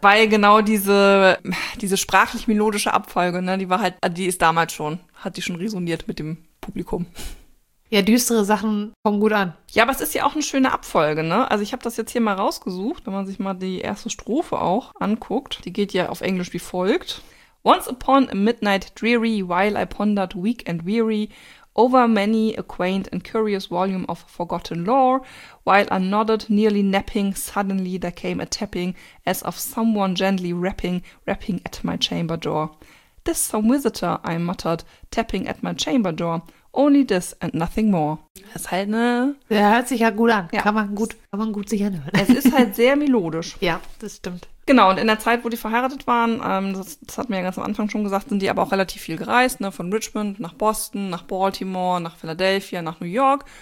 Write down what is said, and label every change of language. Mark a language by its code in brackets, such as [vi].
[de] Weil genau diese sprachlich-melodische Abfolge, ne, die war halt, die ist damals schon, hat die schon resoniert mit dem Publikum. Ja, düstere Sachen kommen gut an. Ja, aber es ist ja auch eine schöne Abfolge, ne? Also ich habe das jetzt hier mal rausgesucht, wenn man sich mal die erste Strophe auch anguckt. Die geht ja auf Englisch wie folgt. [en] Once upon a midnight dreary, while I pondered weak and weary, over many a quaint and curious volume of forgotten lore, while I nodded, nearly napping, suddenly there came a tapping, as of someone gently rapping at my chamber door. This some visitor, I muttered, tapping at my chamber door, only this and nothing more. [de] Das ist halt Der hört sich ja gut an. Ja. Kann man gut sich anhören. Es ist halt sehr melodisch. Ja, das stimmt. Genau, und in der Zeit, wo die verheiratet waren, das hatten wir ja ganz am Anfang schon gesagt, sind die aber auch relativ viel gereist, ne? Von Richmond nach Boston, nach Baltimore, nach Philadelphia, nach New York.